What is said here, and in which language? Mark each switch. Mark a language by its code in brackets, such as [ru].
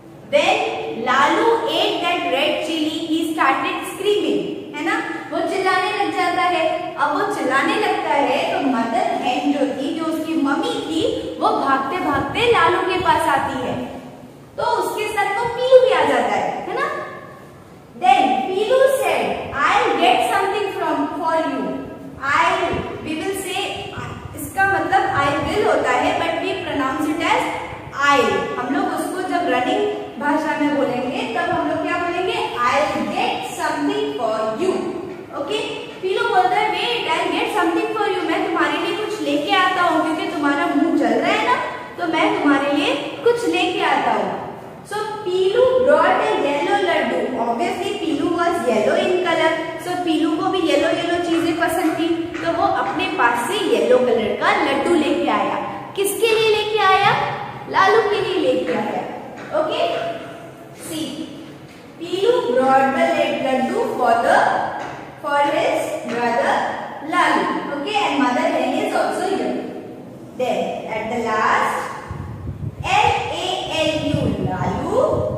[en] When Lalu ate that red chili, he started screaming. [hi] है ना, वो चिल्लाने लग जाता है। अब वो चिल्लाने लगता है तो मदर हेन जो थी, जो उसकी मम्मी थी, वो भागते भागते लालू के पास आती है, तो उसके सर को पीलू भी आ जाता है, है ना? [en] Then Pillu said, I'll get something for you. We will say, [hi] इसका मतलब [en] I will [hi] होता है, [en] but we pronounce it as I. [hi] हम लोग उसको जब running भाषा में बोलेंगे, तब हम लोग क्या बोलेंगे? [en] I'll get something for you. Okay? Pillu [hi] बोलता है, [en] wait, I'll get something for you. [hi] मैं तुम्हारे लिए कुछ लेके आता हूँ, क्योंकि तुम्हारा मुंह जल रहा है ना, तो मैं तुम्हारे लिए कुछ लेके आता हूँ। [en] So Pillu brought a yellow laddu. Obviously Pillu was yellow in color. [hi] So Pillu को भी [en] yellow yellow [hi] चीजें पसंद थी, तो वो अपने पास से येलो कलर का लड्डू लेके आया। किसके लिए लेके आया? लालू के लिए लेके आया। [en] Okay? See, Pillu brought the red laddu for his brother Lalu. Okay? And mother hen is also yellow. Then at the last, L-A-L-U, Lalu.